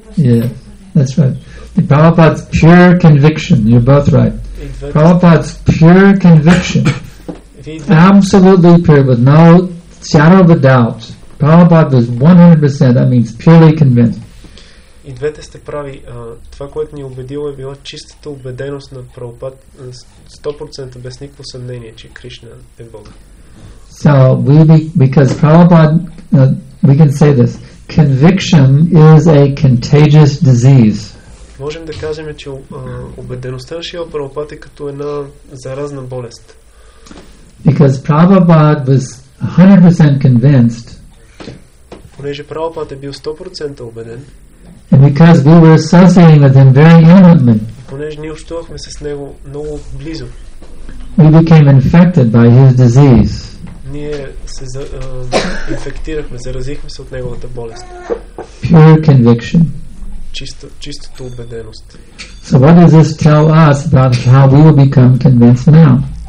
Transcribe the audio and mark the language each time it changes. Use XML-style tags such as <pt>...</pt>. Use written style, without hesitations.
<en>Personality. Yeah, that's right. Prabhupada's pure conviction. You're both right. Prabhupada's pure conviction. Absolutely pure, with no shadow of a doubt. Prabhupada was 100%, that means purely convinced.</en> <bg>И двете сте прави. Това, което ни убедило, е била чистата убеденост на Прабхупада, 100% без никакво съмнение, че Кришна е Бог.</bg> <en>So because Prabhupada, we can say this, conviction is a contagious disease.</en> <bg>Можем да кажем, че убедеността на Шрила Прабхупада е като една заразна болест.</bg> <en>Because Prabhupada was 100% convinced.</en> <bg>Понеже Прабхупада е бил 100% убеден.</bg> <en>And because we were associating with him very intimately.</en> <bg>Понеже ние общувахме с него много близо.</bg> <en>We became infected by his disease.</en> <bg>Ние се инфектирахме, заразихме се от неговата болест.</bg> <en>Pure conviction.</en> <bg>Чистата убеденост.</bg> <en>So what does this tell us about how we will become convinced now?</en>